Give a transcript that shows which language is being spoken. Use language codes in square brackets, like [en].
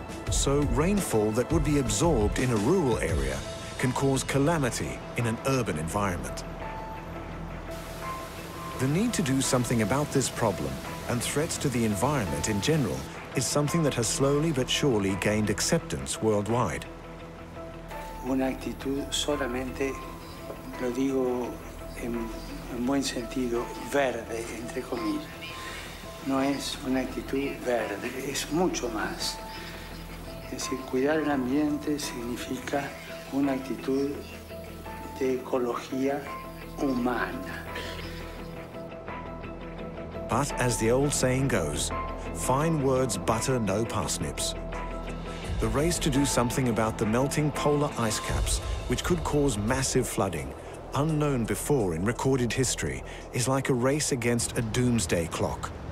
[en] So rainfall that would be absorbed in a rural area can cause calamity in an urban environment. The need to do something about this problem and threats to the environment in general is something that has slowly but surely gained acceptance worldwide. [es] Una actitud solamente, lo digo en buen sentido, verde, entre comillas. No es una actitud verde, es mucho más. Es decir, cuidar el ambiente significa una actitud de ecología humana. [en] But as the old saying goes, fine words butter no parsnips. The race to do something about the melting polar ice caps, which could cause massive flooding, unknown before in recorded history, is like a race against a doomsday clock.